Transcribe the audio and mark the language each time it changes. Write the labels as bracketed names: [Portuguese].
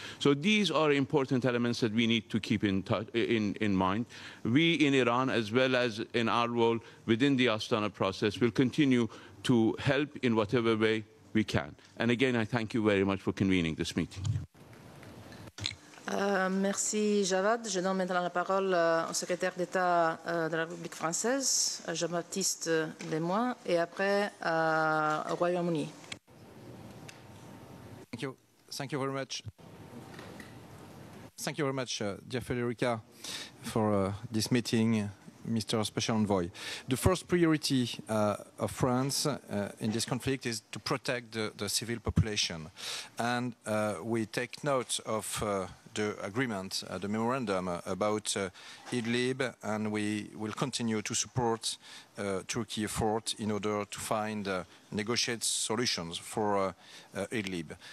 [English] So these are important elements that we need to keep in mind. We in Iran, as well as in our role within the Astana process, will continue to help in whatever way we can. And again, I thank you very much for convening this meeting. [French] Merci, Javad. Je donne maintenant la parole au secrétaire d'État de la République française, Jean-Baptiste Lemoyne, et après au Royaume-Uni. [English] Thank you. Thank you very much. Thank you very much, dear Federica, for this meeting, Mr. Special Envoy. The first priority of France in this conflict is to protect the civil population. And we take note of the agreement, the memorandum about Idlib, and we will continue to support Turkey effort in order to find negotiate solutions for Idlib.